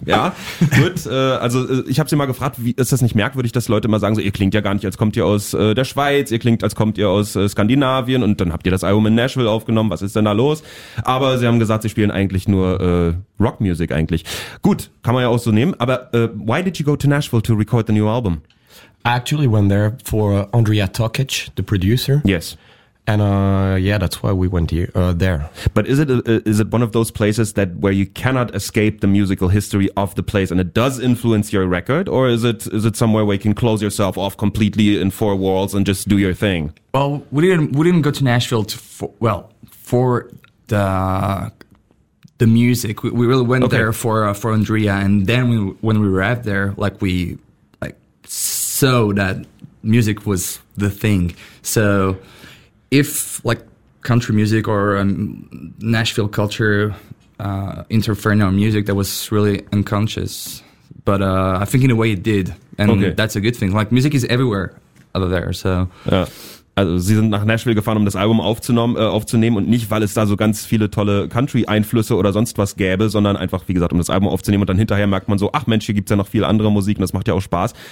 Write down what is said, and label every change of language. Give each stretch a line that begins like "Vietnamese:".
German: Ja, gut. Ich habe sie mal gefragt, wie ist das nicht merkwürdig, dass Leute immer sagen, so, ihr klingt ja gar nicht, als kommt ihr aus der Schweiz, ihr klingt, als kommt ihr aus Skandinavien, und dann habt ihr das Album in Nashville aufgenommen, was ist denn da los? Aber sie haben gesagt, sie spielen eigentlich nur Rockmusik eigentlich. Gut, kann man ja auch so nehmen, aber
English: why did you go to Nashville to record the new album? I actually went there for Andrea Tokic, the producer. Yes. And yeah, that's why we went here, there. But is it one of those places that where you cannot escape the musical history of the place, and it does influence your record, or is it somewhere where you can close yourself off completely in four walls and just do your thing? Well, we didn't go to Nashville for the music. We really went there for Andrea, and then when we arrived there, like we like saw that music was the thing. So. If like country music or Nashville culture interfered in our music, that was really unconscious. But I think in a way it did, and that's a good thing. Like music is everywhere out of there. So,
German: ja. Also sie sind nach Nashville gefahren, um das Album aufzunehmen, und nicht weil es da so ganz viele tolle Country Einflüsse oder sonst was gäbe, sondern einfach wie gesagt, um das Album aufzunehmen, und dann hinterher merkt man so, ach Mensch, hier gibt's ja noch viel andere Musik, und das macht ja auch Spaß.